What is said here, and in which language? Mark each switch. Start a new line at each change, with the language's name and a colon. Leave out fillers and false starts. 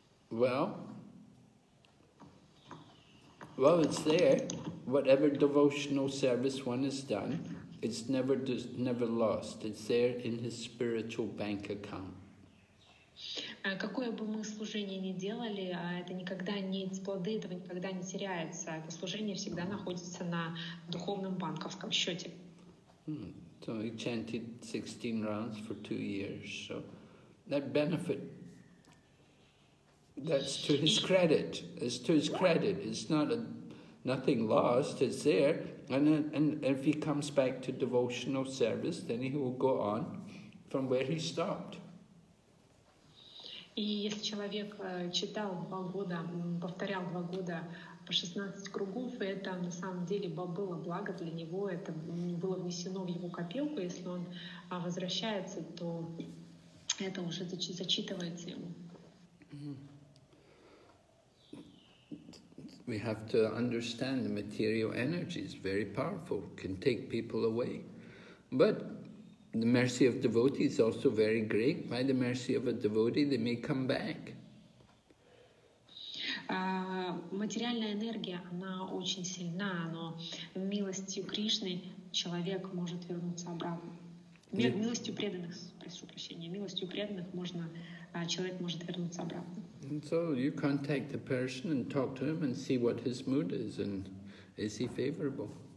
English: Well, it's there. Whatever devotional service one has done, it's never lost. It's there in his spiritual bank account.
Russian: Какое бы мы служение ни делали, это никогда не плоды этого никогда не теряется. Это служение всегда находится на духовном банковском счете.
English: So he chanted 16 rounds for 2 years. So that benefit. That's to his credit. It's to his credit. It's not nothing lost. It's there. And if he comes back to devotional service, then he will go on from where he stopped.
Russian: И если человек читал 2 года, повторял 2 года по 16 кругов, это на самом деле было благо для него, это было внесено в его копилку, если он возвращается, то это уже зачитывается ему.
English: We have to understand the material energy is very powerful, can take people away. But the mercy of devotee is also very great. By the mercy of a devotee, they may come back.
Russian: Материальная энергия, она очень сильна, но милостью Кришны человек может вернуться обратно. Милостью преданных можно человек может вернуться обратно.
English: And so you contact the person and talk to him and see what his mood is and is he favorable.